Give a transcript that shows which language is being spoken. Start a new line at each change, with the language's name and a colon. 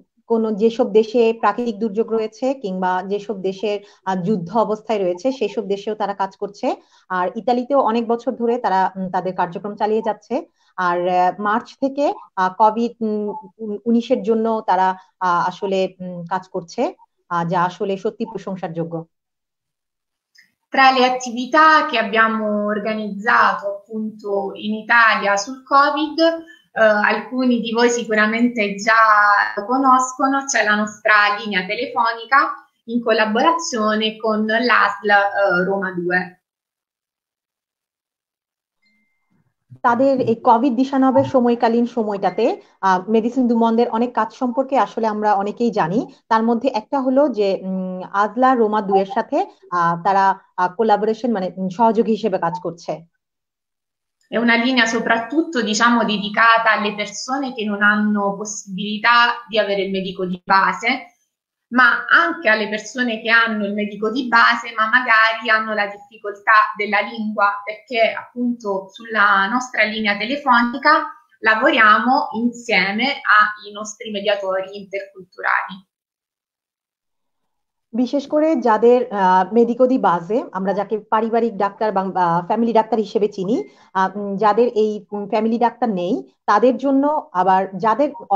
Bangla: কোন যেসব দেশে প্রাকৃতিক দুর্যোগ রয়েছে কিংবা যেসব দেশের যুদ্ধ অবস্থায় রয়েছে সেসব দেশেও তারা কাজ করছে। আর ইতালিতেও অনেক বছর ধরে তারা তাদের কার্যক্রম চালিয়ে যাচ্ছে। আর মার্চ থেকে COVID-19-এর জন্য তারা আসলে কাজ করছে, যা আসলে সত্যি প্রশংসার যোগ্য।
Italian: Tra le attività che abbiamo organizzato appunto in Italia sul Covid, alcuni di voi sicuramente già lo conoscono, c'è la nostra linea telefonica in collaborazione con l'ASL Roma 2.
Bangla: তাদের এই COVID-19-এর সময়কালীন সময়টাতে মেডিসিন দু মন্দের অনেক কাজ সম্পর্কে আসলে আমরা অনেকেই জানি। তার মধ্যে একটা হলো যে আজলা রোমা দুয়ের সাথে তারা কোলাবোরেশন, মানে সহযোগী হিসেবে কাজ করছে।
Italian: È una linea soprattutto, diciamo, dedicata alle persone che non hanno possibilità di avere il medico di base, ma anche alle persone che hanno il medico di base, ma magari hanno la difficoltà della lingua, perché appunto sulla nostra linea telefonica lavoriamo insieme ai nostri mediatori interculturali.
Bangla: বিশেষ করে যাদের medico দি বাসে, আমরা যাকে পারিবারিক doctor বা family doctor হিসেবে চিনি, যাদের এই ফ্যামিলি ডাক্তার নেই তাদের জন্য, আবার যাদের